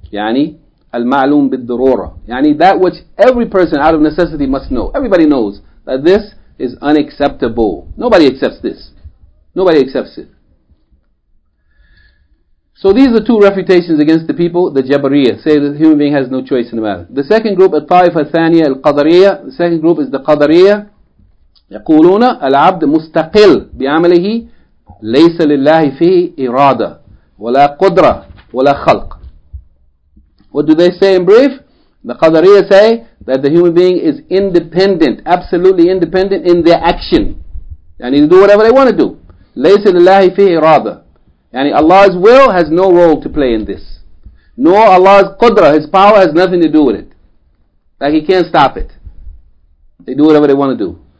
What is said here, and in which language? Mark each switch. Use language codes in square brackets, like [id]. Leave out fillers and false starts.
[en] Yani, [ar] al-ma'lum bid-durura. [en] Yani, that which every person out of necessity must know. Everybody knows that this is unacceptable. Nobody accepts this. Nobody accepts it. So these are two refutations against the people, the Jabariyyah, say that the human being has no choice in the matter. The second group, [ar] al-Ta'if al-Thaniyah al-Qadariyyah, [en] the second group is the Qadariyyah. [ar] يقولون العبد مستقل بعمله ليس لله فيه إرادة ولا قدرة ولا خلق. [en] What do they say in brief? The Qadariyyah say that the human being is independent, absolutely independent in their action. They need to do whatever they want to do. [ar] ليس لله فيه إرادة. [en] Yani Allah's will has no role to play in this. Nor Allah's qudra, His power, has nothing to do with it. Like He can't stop it. They do whatever they want to do.